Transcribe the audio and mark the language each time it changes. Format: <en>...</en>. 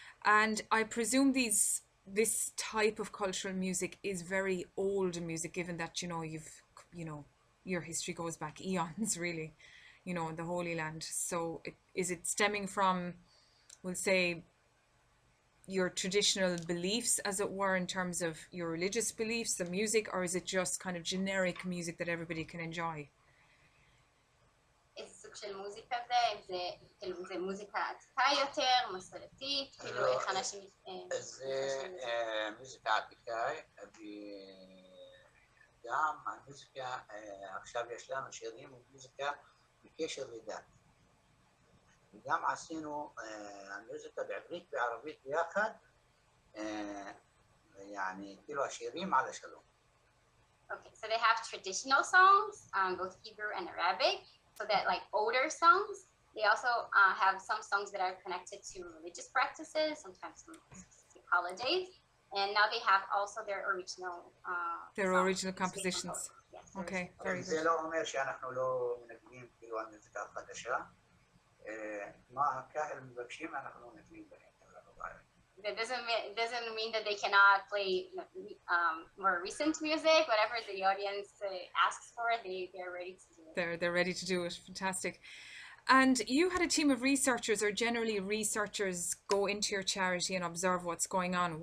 <en>And I presume this type of cultural music is very old music, given that, you know, your history goes back eons, really, you know, the Holy Land. So is it stemming from, we'll say, your traditional beliefs, as it were, in terms of your religious beliefs, the music, or is it just kind of generic music that everybody can enjoy?</en> <he>איזה סוג של מוזיקה זה, אם זה מוזיקה עתיקה יותר, מסורתית, כאילו איך אנשים... זה מוזיקה עתיקה, וגם המוזיקה, עכשיו יש לנו שירים ומוזיקה בקשר לדת. וגם עשינו המוזיקה בעברית וערבית ביחד, ויעני, כאילו השירים על השלום.</he> <en>Okay, so they have traditional songs, both Hebrew and Arabic. So that like older songs, They also have some songs that are connected to religious practices, sometimes some specific holidays. And now they have also their original Original compositions. Okay, very good.</en> <he>זה לא אומר שאנחנו לא מנגנים כאילו על מוזיקה חדשה. מה הקהל מבקשים, אנחנו נגנים בהם.</he> <en>It doesn't mean that they cannot play more recent music. Whatever the audience asks for, they're ready to do it. They're ready to do it. Fantastic. And you had a team of researchers, or generally researchers, go into your charity and observe what's going on.</en>